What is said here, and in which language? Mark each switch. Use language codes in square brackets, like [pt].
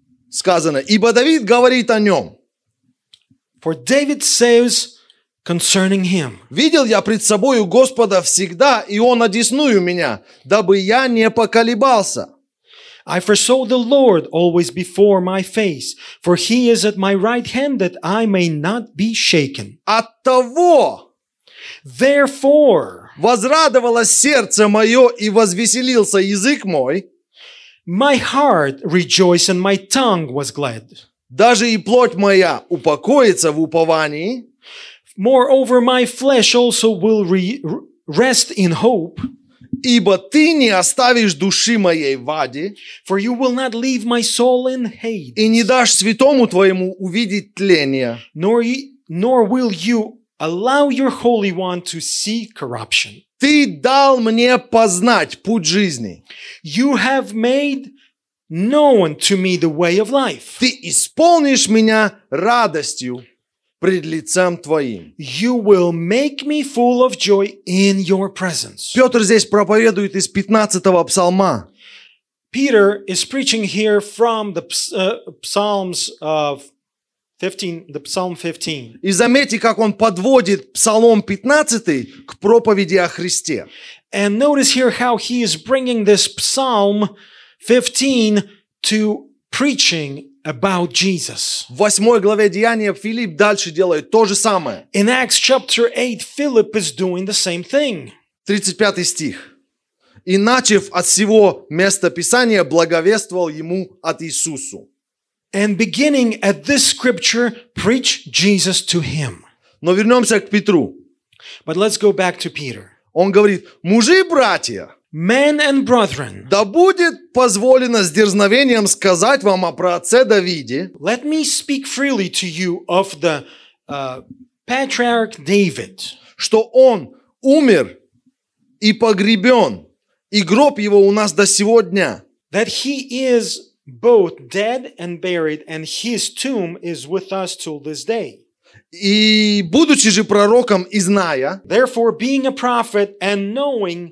[ru] Сказано, ибо Давид говорит о нем. [en] For David says concerning him. [ru] Видел я пред собою Господа всегда, и Он одесную меня, дабы я не поколебался. [en] I foresaw the Lord always before my face, for He is at my right hand, that I may not be shaken. [ru] Оттого, [en] therefore, [ru] возрадовалось сердце мое и возвеселился язык мой. [en] My heart rejoiced and my tongue was glad. [ru] Даже и плоть моя упокоится в уповании. [en] Moreover, my flesh also will rest in hope. [ru] Ибо ты не оставишь души моей в аде. [en] For you will not leave my soul in hate. [ru] И не дашь святому твоему увидеть тление. [en] Nor will you allow your Holy One to see corruption. [ru] Ты дал мне познать путь жизни. [en] You have made known to me the way of life. [ru] Ты исполнишь меня радостью пред лицем твоим. [en] You will make me full of joy in your presence. [ru] Петр здесь проповедует из 15-го псалма. [en] Peter is preaching here from the Psalms of 15, the Psalm 15. [ru] И заметьте, как он подводит Псалом 15 к проповеди о Христе. [en] And notice here how he is bringing this Psalm 15 to preaching about Jesus. [ru] В 8 главе Деяния Филипп дальше делает то же самое. [en] In Acts chapter 8, Philip is doing the same thing. [ru] 35 стих. И начав от сего места Писания, благовествовал ему от Иисусу. [en] And beginning at this scripture, preach Jesus to him. [ru] Но вернемся к Петру. [en] But let's go back to Peter. [ru] Он говорит, мужи и братья, [en] Men and brethren, [ru] да будет позволено с дерзновением сказать вам о праотце Давиде. [en] Let me speak freely to you of the patriarch David. [ru] Что он умер и погребен, и гроб его у нас до сего дня. [en] That he is both dead and buried, and his tomb is with us till this day. [ru] И будучи же пророком и зная, [en] Therefore, being a prophet and knowing,